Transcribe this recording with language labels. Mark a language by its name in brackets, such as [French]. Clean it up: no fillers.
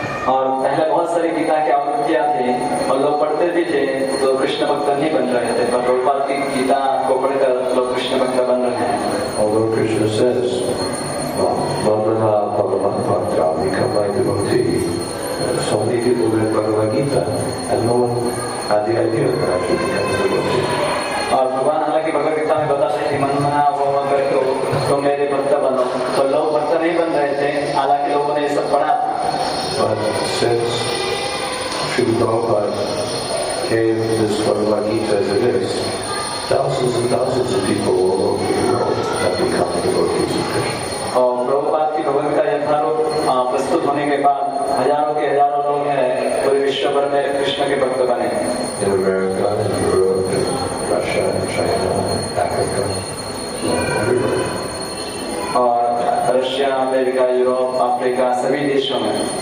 [Hindi] और पहले बहुत सारी गीता के आवृत्त किया थे और लोग पढ़ते भी थे तो कृष्ण भक्त नहीं बन रहे थे पर प्रभुपाद की गीता को पढ़कर लोग कृष्ण भक्त बन रहे हैं। [English] Although Krishna says, "Bhavana Bhagavan Patra, become my devotee." So many people read Bhagavad Gita and no one had the idea that I should become a devotee. [Hindi] और भगवान हालांकि भगवद गीता में बता रहे थे मन मना वो मन करे तो तुम मेरे भक्त बनो तो लोग भक्त नहीं बन रहे थे हालांकि लोगों ने सब पढ़ा [English] But since Srila Prabhupada gave this Bhagavad Gita as it is, thousands and thousands of people all over the world have become devotees of Krishna. [Hindi] और प्रभुपाद की भगवद गीता यथारूप प्रस्तुत होने के बाद हजारों के हजारों लोग हैं पूरे विश्व भर में कृष्ण के भक्त बने। [English] In America, in Europe, in Russia, in China, Africa, everywhere. [Hindi] Russia America Europe Africa सभी देशों में